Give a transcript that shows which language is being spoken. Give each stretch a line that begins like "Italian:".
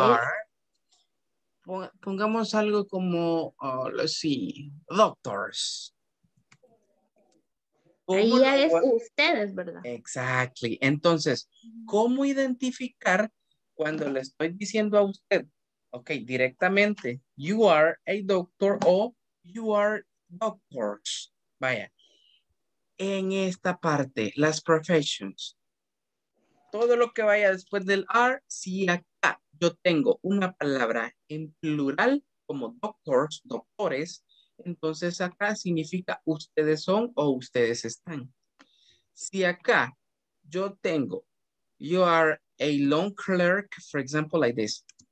Spanish: Are, pongamos algo como,
English: let's see, doctors.
Spanish: Ahí ya es ustedes, ¿verdad?
English: Exactly.
Spanish: Entonces, ¿cómo identificar cuando le estoy diciendo a usted?
English: Ok,
Spanish: directamente,
English: you are a doctor o you are doctors.
Spanish: Vaya, en esta parte, las professions, todo lo que vaya después del are, si acá yo tengo una palabra en plural como doctors, doctores, entonces acá significa ustedes son o ustedes están. Si acá yo tengo,
English: you are a loan clerk, for example, like this.